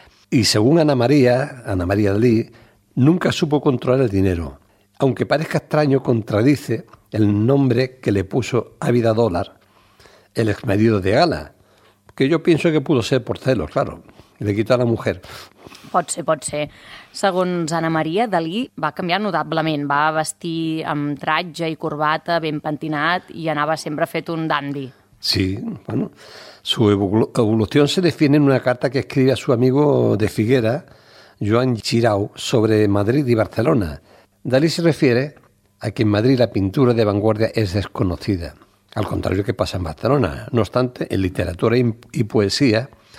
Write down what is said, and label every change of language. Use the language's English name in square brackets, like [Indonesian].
[Spanish] Y según Ana María Dalí, nunca supo controlar el dinero. Aunque parezca extraño, contradice el nombre que le puso Ávida Dólar, el exmarido de Gala, que yo pienso que pudo ser por celos, claro, y le quitó a la mujer. [Catalan] Pot ser, pot ser. Segons Ana María, Dalí va canviar notablement. Va vestir amb tratge i corbata, ben pentinat, i anava sempre fet un dandy. [Spanish] Sí, bueno, su evolución se define en una carta que escribe a su amigo de Figuera, Joan Xirau, sobre Madrid y Barcelona. Dalí se refiere a que en Madrid la pintura de vanguardia es desconocida, al contrario que pasa en Barcelona. No obstante, en literatura y poesía